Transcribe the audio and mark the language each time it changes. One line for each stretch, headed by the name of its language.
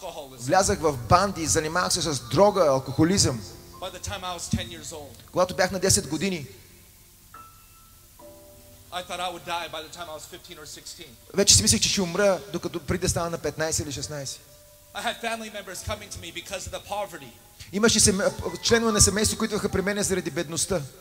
Bulgarian: Влязах в банди, занимавах се с дрога, алкохолизъм.
English: By the time I was 10 years old.
Bulgarian: Когато бях на 10 години.
English: I thought I would die by the time I was 15 or 16.
Bulgarian: Вече си мислех, че ще умра, докато преди да стана на 15 или 16.
English: I had family members coming to me because of the poverty.
Bulgarian: Имаше членове на семейство, които идваха при мен заради бедността.